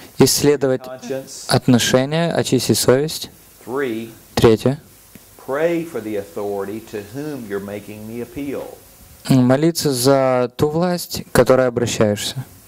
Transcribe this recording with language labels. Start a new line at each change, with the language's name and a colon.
Russian: Исследовать отношения, очистить совесть.
English: Three.
Russian: Третье.
English: Pray for the authority to whom you're making the appeal.
Russian: Молиться за ту власть, к которой обращаешься.